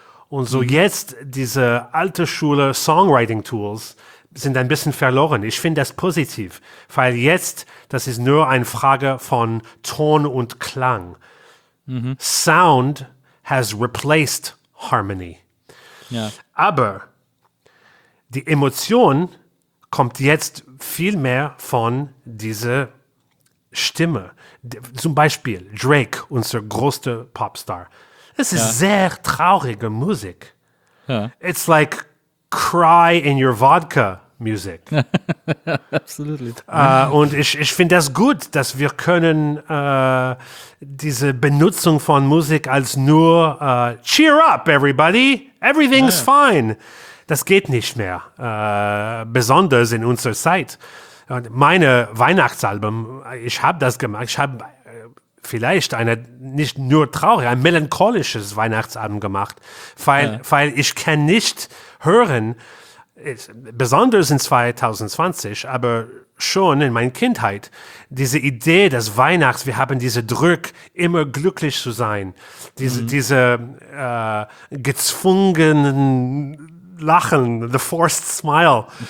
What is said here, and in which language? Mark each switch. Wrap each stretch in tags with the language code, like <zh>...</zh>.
<de>Und so jetzt diese alte Schule Songwriting Tools sind ein bisschen verloren. Ich finde das positiv, weil jetzt, das ist nur eine Frage von Ton und Klang. Mhm.</de> <en>Sound has replaced harmony.</en> <de>Ja. Aber die Emotion kommt jetzt viel mehr von dieser Stimme. Zum Beispiel Drake, unser größter Popstar. Es ist sehr traurige Musik. Ja.</de> <en>It's like cry in your vodka music.</en> <de>Absolut. Und ich finde das gut, dass wir können diese Benutzung von Musik als nur</de> <en>cheer up everybody, everything's fine.</en> <de>Das geht nicht mehr, besonders in unserer Zeit. Und meine Weihnachtsalben, ich habe das gemacht, ich habe vielleicht eine nicht nur traurige, ein melancholisches Weihnachtsalbum gemacht, weil ich kann nicht hören, besonders in 2020, aber schon in meiner Kindheit, diese Idee des Weihnachts, wir haben diesen Druck, immer glücklich zu sein, diese gezwungenen Lachen,</de> <en>the forced smile.</en>